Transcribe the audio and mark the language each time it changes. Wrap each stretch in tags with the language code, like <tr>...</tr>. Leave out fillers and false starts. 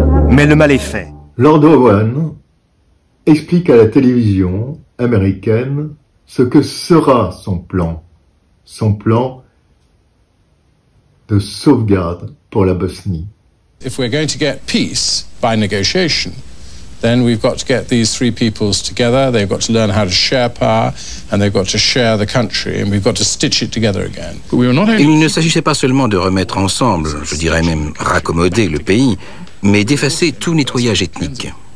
<fr>Mais le mal est fait. Lord Owen explique à la télévision américaine ce que sera son plan de sauvegarde pour la Bosnie.</fr> <en>If we're going to get peace by negotiation, then we've got to get these three peoples together. They've got to learn how to share power, and they've got to share the country, and we've got to stitch it together again.</en> <fr>Il ne s'agissait pas seulement de remettre ensemble, je dirais même raccommoder le pays, mais d'effacer tout nettoyage ethnique.</fr>